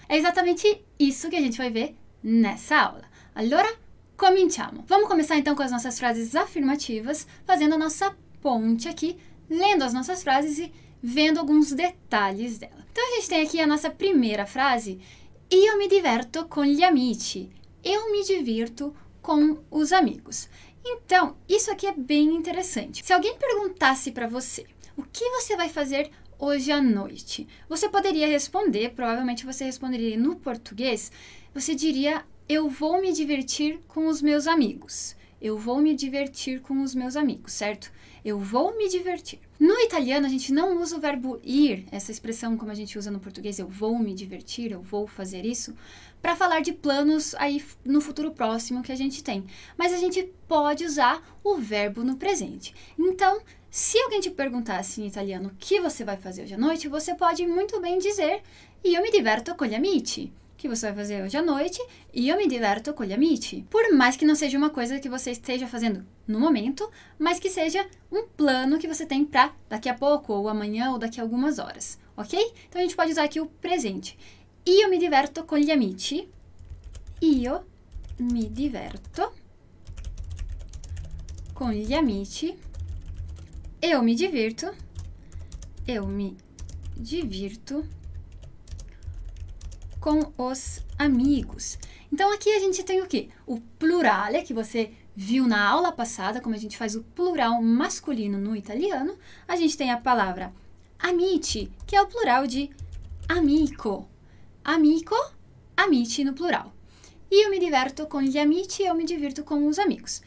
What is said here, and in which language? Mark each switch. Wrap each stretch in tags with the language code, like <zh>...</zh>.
<pt>É exatamente isso que a gente vai ver nessa aula.</pt> <it>Allora, cominciamo!</it> <pt>Vamos começar então com as nossas frases afirmativas, fazendo a nossa ponte aqui, lendo as nossas frases e vendo alguns detalhes dela. Então a gente tem aqui a nossa primeira frase.</pt> <it>Io mi diverto con gli amici.</it> <pt>Eu me divirto com os amigos. Então, isso aqui é bem interessante. Se alguém perguntasse para você: o que você vai fazer hoje à noite? Você poderia responder, provavelmente você responderia no português. Você diria: eu vou me divertir com os meus amigos. Eu vou me divertir com os meus amigos, certo? Eu vou me divertir. No italiano, a gente não usa o verbo ir, essa expressão como a gente usa no português, eu vou me divertir, eu vou fazer isso, para falar de planos aí no futuro próximo que a gente tem. Mas a gente pode usar o verbo no presente. Então, se alguém te perguntasse em italiano o que você vai fazer hoje à noite, você pode muito bem dizer:</pt> <it>Io mi diverto con gli amici.</it> <pt>Que você vai fazer hoje à noite, e eu me diverto com</pt> <it>gli amici.</it> <pt>Por mais que não seja uma coisa que você esteja fazendo no momento, mas que seja um plano que você tem para daqui a pouco, ou amanhã, ou daqui a algumas horas, ok? Então a gente pode usar aqui o presente.</pt> <it>Io mi diverto con gli amici. Io mi diverto con gli amici.</it> <pt>Eu me divirto. Eu me divirto. Com os amigos. Então aqui a gente tem o quê? O plurale, que você viu na aula passada, como a gente faz o plural masculino no italiano. A gente tem a palavra amici, que é o plural de amico. Amico, amici no plural.</pt> <it>Io mi diverto con gli amici,</it> <pt>eu me divirto com os amigos.</pt>